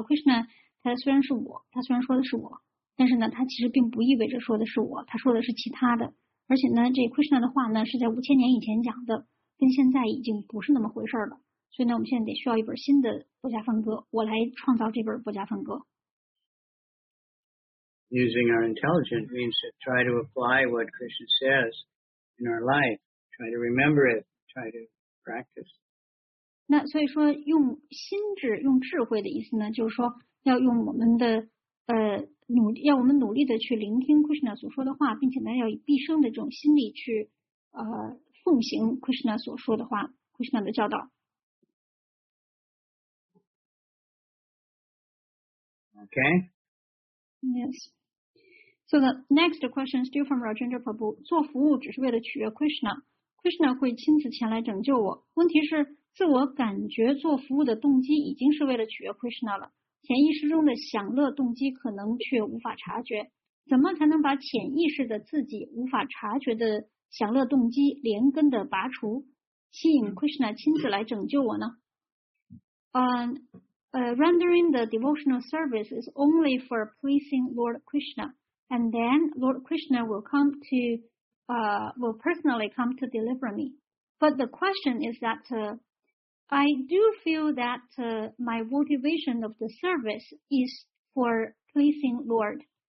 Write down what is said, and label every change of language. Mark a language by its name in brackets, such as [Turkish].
[Chinese] Krishna 他虽然是我，他虽然说的是我，但是呢，他其实并不意味着说的是我，他说的是其他的。而且呢，这 Krishna 的话呢，是在5000年以前讲的，跟现在已经不是那么回事了。所以呢，我们现在得需要一本新的《波迦梵歌》，我来创造这本《波迦梵歌》。 [English] Using our intelligence means to try to apply what Krishna says in our life. Try to remember it. Try to practice. [Chinese] 那所以说，用心智、用智慧的意思呢，就是说要用我们的努力，要我们努力的去聆听 Krishna 所说的话，并且呢，要以毕生的这种心力去奉行 Krishna 所说的话 ，Krishna 的教导。 [English] Okay. Yes. So the next question is still from Rajendra Prabhu. [Chinese] 做服务只是为了取悦 Krishna. Krishna 会亲自前来拯救我。问题是，自我感觉做服务的动机已经是为了取悦 Krishna 了。潜意识中的享乐动机可能却无法察觉。怎么才能把潜意识的自己无法察觉的享乐动机连根的拔除，吸引 Krishna 亲自来拯救我呢？ [English] Rendering the devotional service is only for pleasing Lord Krishna, and then Lord Krishna will come to, will personally come to deliver me. But the question is that I do feel that my motivation of the service is for pleasing Lord.